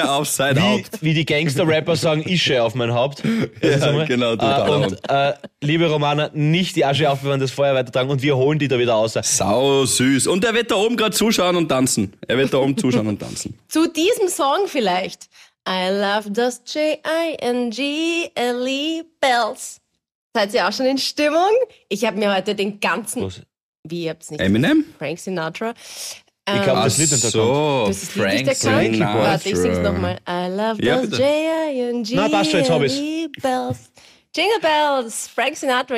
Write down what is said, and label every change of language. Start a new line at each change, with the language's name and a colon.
German: Asche auf sein Haupt. Wie die Gangster-Rapper sagen, Ische auf mein Haupt. Ja, genau, du da. Und liebe Romana, nicht die Asche aufbewahren, das Feuer weitertragen und wir holen die da wieder raus. Sau süß. Und er wird da oben gerade zuschauen und tanzen. Er wird da oben zuschauen und tanzen. Zu diesem Song vielleicht.
English: I love those J-I-N-G-L-E Bells.
German: Seid ihr auch schon in Stimmung? Ich habe mir heute den ganzen... Wie, ihr habt's nicht? Eminem? Frank Sinatra. Ich glaube, das Lied so, ist der Song. Das ist Frank Sinatra. Warte, ich sing's nochmal.
English: I love those J-I-N-G-L-E Bells.
German: Jingle Bells, Frank Sinatra.